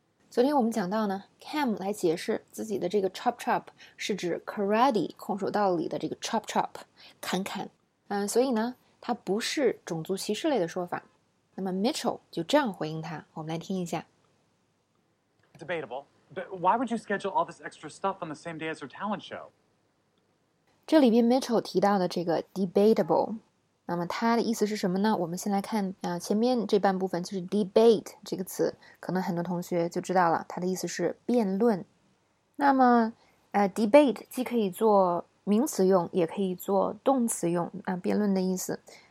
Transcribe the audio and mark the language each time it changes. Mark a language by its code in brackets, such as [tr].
[zh] 昨天我们讲到呢，Cam 来解释自己的这个 chop chop 是指 karate 空手道里的这个 chop chop 砍砍。所以呢，它不是种族歧视类的说法。那么 Mitchell 就这样回应他，我们来听一下。 [en] Debatable, but why would you schedule all this extra stuff on the same day as her talent show? [zh] 这里边 Mitchell 提到的这个 debatable，那么它的意思是什么呢？我们先来看前面这半部分，就是 debate 这个词，可能很多同学就知道了，它的意思是辩论。那么debate 既可以做名词用，也可以做动词用辩论的意思。